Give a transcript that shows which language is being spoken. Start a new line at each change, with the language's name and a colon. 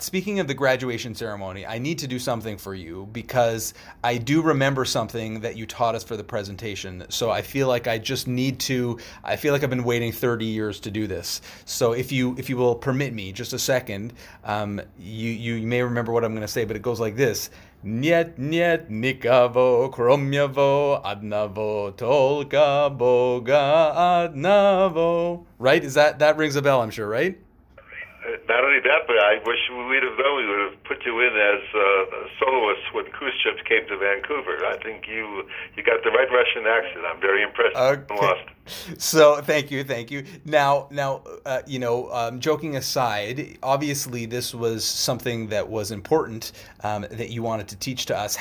English: Speaking of the graduation ceremony, I need to do something for you because I do remember something that you taught us for the presentation. So I feel like I just need to, I feel like I've been waiting 30 years to do this. So if you will permit me just a second, you may remember what I'm going to say, but it goes like this.
Russian: Нет, нет никого, кроме его одного, только Бога одного.
English: Right? Is that rings a bell, I'm sure, right? Not only that, but I wish we'd have known. We would have put you in as a soloist when Khrushchev came to Vancouver. I think you got the right Russian accent. I'm very impressed. Okay. Lost. So thank you. Now, you know, joking aside, obviously this was something that was important that you wanted to teach to us.